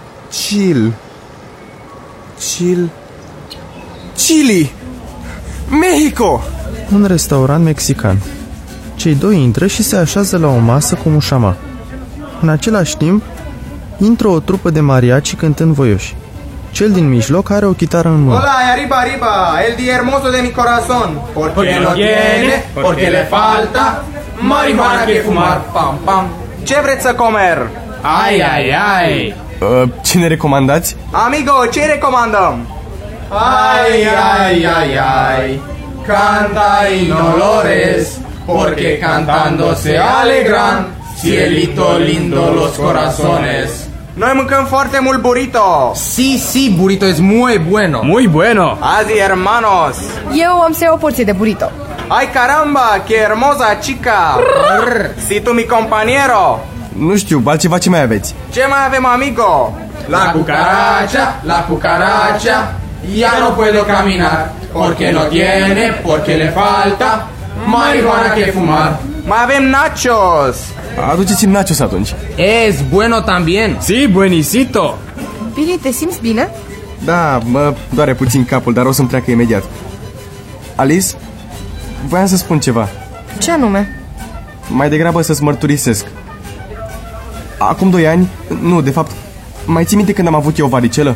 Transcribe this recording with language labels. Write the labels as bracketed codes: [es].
[en] Chill. Chill. Chili. Mexico. [ro] Un restaurant mexican. Cei doi intră și se așează la o masă cu mușama. În același timp, intră o trupă de mariachi cântând voioși. Cel din mijloc are o chitară în mână. [es] Hola, arriba, arriba, el di hermoso de mi corazón. Porque no tiene, porque le falta marihuana que fumar, pam, pam. [ro] Ce vreți să [es] comer? Ai, ai, ai. [ro] Ce ne recomandați? Amigo, ce recomandăm? Ay, ay, ay, ay. [es] Canta y no lo des, porque cantando se alegran, cielito lindo los corazones. [ro] Noi mâncăm foarte mult burrito. [es] Si, si, burrito es muy bueno. Muy bueno. Azi, hermanos. [ro] Eu am să iau o porție de burrito. [es] Ay, caramba, que hermosa chica. Si tu mi compañero. [ro] Nu știu, altceva ce mai aveți? Ce mai avem, amigo? [es] La cucaracha, la cucaracha, ya no puedo caminar, porque no tiene, porque le falta marihuana que fumar. [ro] Mai avem nachos. Aduceți-mi nachos atunci. [es] Es bueno también. Sí, buenisito. [ro] Bine, te simți bine? Da, mă doare puțin capul, dar o să-mi treacă imediat. Alice, voiam să spun ceva. Ce anume? Mai degrabă să-ți mărturisesc. Acum 2 ani, nu, de fapt, mai ții minte când am avut eu varicelă?